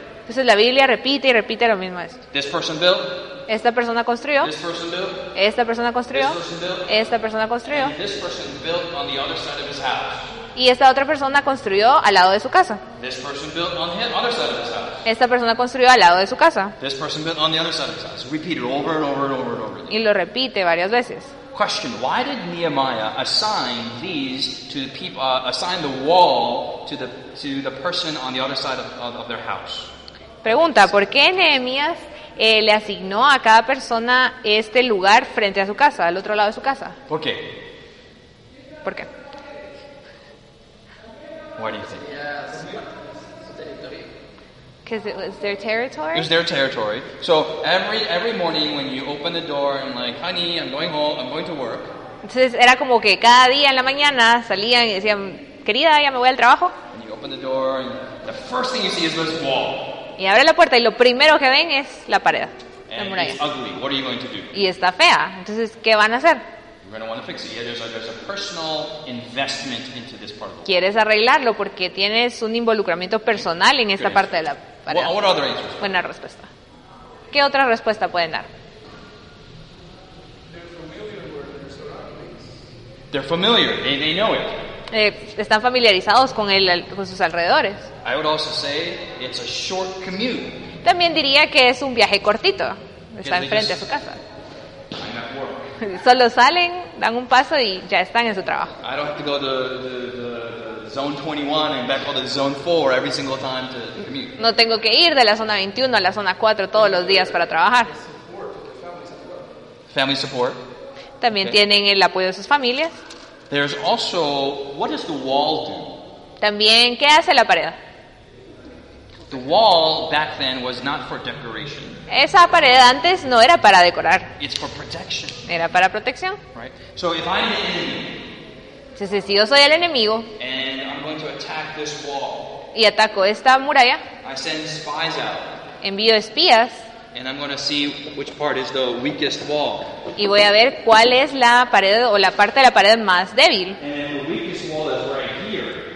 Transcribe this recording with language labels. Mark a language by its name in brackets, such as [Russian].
[Spanish] Entonces la Biblia repite y repite lo mismo. [English] This person built. [Spanish] Esta persona construyó. [English] This person built. [Spanish] Esta persona construyó. [English] This person built. [Spanish] Esta persona construyó. [English] And this person built on the other side of his house. [Spanish] Y esta otra persona construyó al lado de su casa. [English] This person built on the other side of his house. [Spanish] Esta persona construyó al lado de su casa. [English] This person built on the other side of his house. Repeated over and over and over and over. [Spanish] Y lo repite varias veces. [English] Question: why did Nehemiah assign these to the people? Assign the wall to the person on the other side of their house? [Spanish] Pregunta: ¿por qué Nehemías le asignó a cada persona este lugar frente a su casa, al otro lado de su casa? ¿Por qué? ¿Por qué? [English] What do you think? Because it was their territory. It was their territory. So every morning when you open the door and like, honey, I'm going home, I'm going to work. [Spanish] Entonces era como que cada día en la mañana salían y decían, querida, ya me voy al trabajo. [English] And you open the door and the first thing you see is this wall. [Spanish] Y abre la puerta y lo primero que ven es la pared. [English] And it's ugly. What are you going to do? [Spanish] Y está fea. Entonces, ¿qué van a hacer? [English] You're going to want to fix it. Yeah, there's a personal investment into this part. [Spanish] Quieres arreglarlo porque tienes un involucramiento personal en esta parte de la pared. [English] What other answers? [Spanish] Buena respuesta. ¿Qué otra respuesta pueden dar? [English] They're familiar. They know it. [Spanish] Están familiarizados con él, con sus alrededores. [English] I would also say it's a short commute. [Spanish] También diría que es un viaje cortito. Está enfrente a su casa. Solo salen, dan un paso y ya están en su trabajo. [English] I don't have to go to zone 21 and back to zone 4 every single time to commute. [Spanish] No tengo que ir de la zona 21 a la zona 4 todos los días para trabajar. [English] Family support. [Spanish] También okay. Tienen el apoyo de sus familias. [English] There's also, what does the wall do? [Spanish] También, ¿qué hace la pared? [English] The wall back then was not for decoration. [Spanish] Esa pared antes no era para decorar. [English] It's for protection. [Spanish] Era para protección. [English] Right. So if I'm the enemy, [Spanish] entonces, si yo soy el enemigo [English] and I'm going to attack this wall, [Spanish] y ataco esta muralla, [English] I send spies out, [Spanish] envío espías [English] and I'm going to see which part is the weakest wall, [Spanish] y voy a ver cuál es la pared o la parte de la pared más débil. [English] And the weakest wall is right here.